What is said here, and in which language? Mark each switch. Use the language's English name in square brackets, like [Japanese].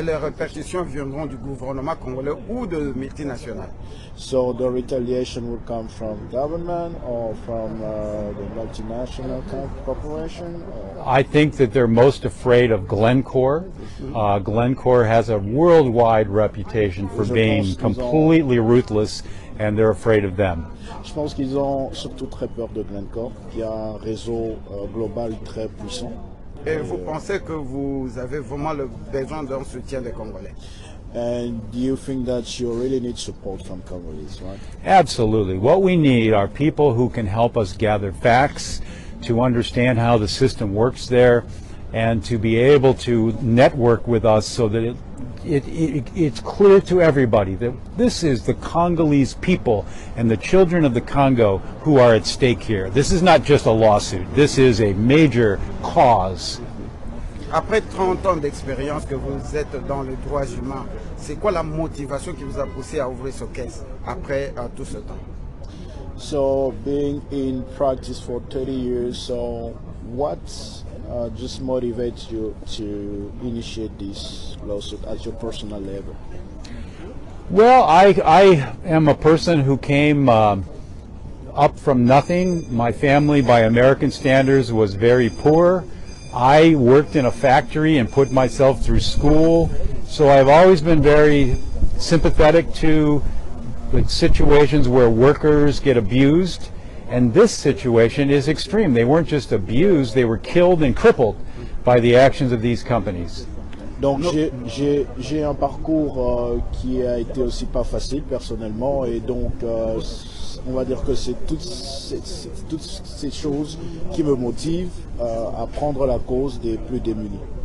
[French] Et les répercussions viendront du gouvernement congolais ou de multinationales. [English] So the retaliation will come from government or from the multinational corporation? I think that they're most afraid of Glencore. Glencore has a worldwide reputation for being completely ruthless. And they're afraid of them. [French] Je pense qu'ils ont surtout très peur de Glencore, qui a un réseau global très puissant. Et vous pensez que vous avez vraiment le besoin d'un soutien des Congolais? [English] And do you think that you really need support from Congolese, right? Absolutely. What we need are people who can help us gather facts, to understand how the system works there, and to be able to network with us so that it's clear to everybody that this is the Congolese people and the children of the Congo who are at stake here. This is not just a lawsuit. This is a major cause. [French] Après 30 ans d'expérience que vous êtes dans les droits humains, c'est quoi la motivation qui vous a poussé à ouvrir ce caisse après tout ce temps? [English] So, being in practice for 30 years, so what just motivates you to initiate this lawsuit at your personal level? Well, I am a person who came up from nothing. My family, by American standards, was very poor. I worked in a factory and put myself through school. So I've always been very sympathetic to the situations where workers get abused. And this situation is extreme. They weren't just abused, they were killed and crippled by the actions of these companies. [French] Donc j'ai un parcours qui a été aussi pas facile personnellement, et donc on va dire que c'est toutes ces choses qui me motivent à prendre la cause des plus démunis.